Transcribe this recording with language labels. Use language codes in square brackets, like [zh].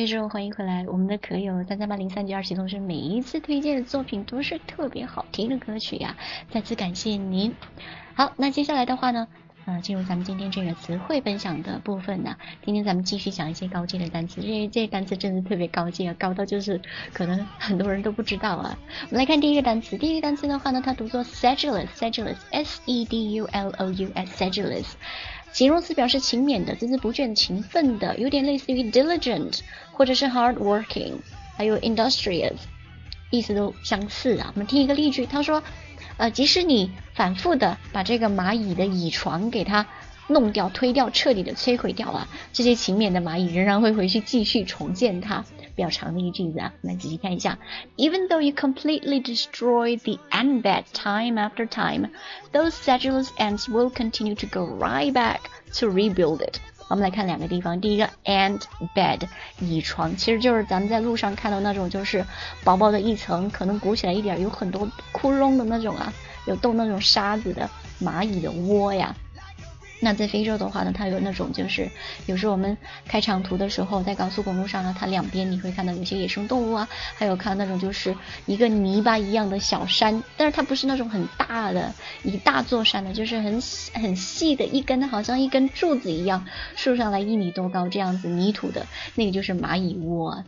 [zh] 欢迎回来，我们的可友33803927同时每一次推荐的作品都是特别好听的歌曲呀，再次感谢您。好，那接下来的话呢，进入咱们今天这个词汇分享的部分呢，今天咱们继续讲一些高阶的单词，因为这些单词真的特别高阶啊，高到就是可能很多人都不知道啊。我们来看第一个单词，第一个单词的话呢，它读作 sedulous， sedulous， S E D U L O U S， sedulous。形容词表示勤勉的，孜孜不倦勤奋的，有点类似于 diligent 或者是 hardworking， 还有 industrious， 意思都相似啊。我们听一个例句，他说即使你反复的把这个蚂蚁的蚁床给它弄掉推掉彻底的摧毁掉啊，这些勤勉的蚂蚁仍然会回去继续重建它。比较长的一句子啊，我们仔细看一下。 [en] Even though you completely destroy the ant bed time after time, those sedulous ants will continue to go right back to rebuild it. [zh] 我们来看两个地方，第一个 ant bed 蚁床，其实就是咱们在路上看到那种就是薄薄的一层，可能鼓起来一点，有很多窟窿的那种啊，有动那种沙子的蚂蚁的窝呀。那在非洲的话呢，它有那种就是有时候我们开长途的时候在高速公路上啊，它两边你会看到有些野生动物啊，还有看到那种就是一个泥巴一样的小山，但是它不是那种很大的一大座山的，就是很细的一根，好像一根柱子一样竖上来一米多高这样子泥土的，那个就是蚂蚁窝啊。